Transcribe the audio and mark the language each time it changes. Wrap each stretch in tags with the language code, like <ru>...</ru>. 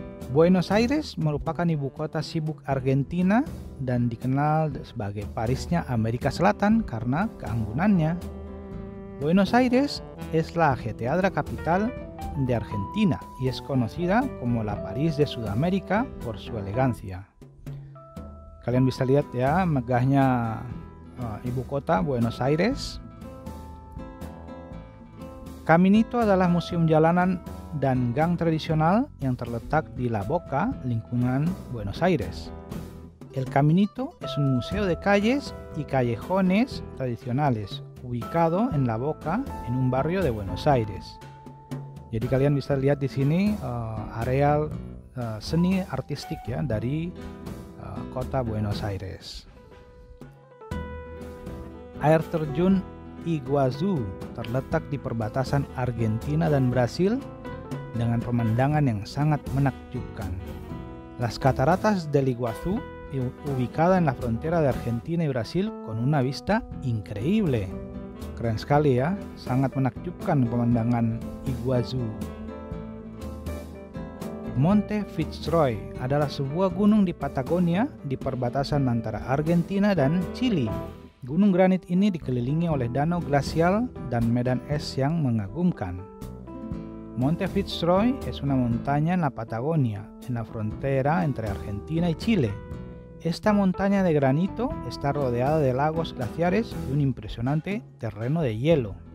<id>Buenos Aires merupakan ibu kota sibuk Argentina dan dikenal sebagai Parisnya Amerika Selatan karena keanggunannya.</id> <es>Buenos Aires es la geteadra capital de Argentina y es conocida como la París de Sudamérica por su elegancia.</es> <id>Kalian bisa lihat ya megahnya ibu kota Buenos Aires. Caminito adalah museum jalanan dan gang tradisional yang terletak di La Boca, lingkungan Buenos Aires.</id> <es>El Caminito es un museo de calles y callejones tradicionales ubicado en La Boca, en un barrio de Buenos Aires.</es> <id>Jadi kalian bisa lihat di sini areal seni artistik ya dari kota Buenos Aires. Air terjun Iguazu terletak di perbatasan Argentina dan Brasil dengan pemandangan yang sangat menakjubkan.</id> <es>Las Cataratas del Iguazú, ubicada en la frontera de Argentina y Brasil con una vista increíble.</es> <id>Keren sekali ya, sangat menakjubkan pemandangan Iguazú. Monte Fitzroy adalah sebuah gunung di Patagonia di perbatasan antara Argentina dan Chile. Gunung granit ini dikelilingi oleh danau glasial dan medan es yang mengagumkan.</id> <es>Monte Fitzroy es una montaña en la Patagonia, en la frontera entre Argentina y Chile. Esta montaña de granito está rodeada de lagos glaciares y un impresionante terreno de hielo.</es>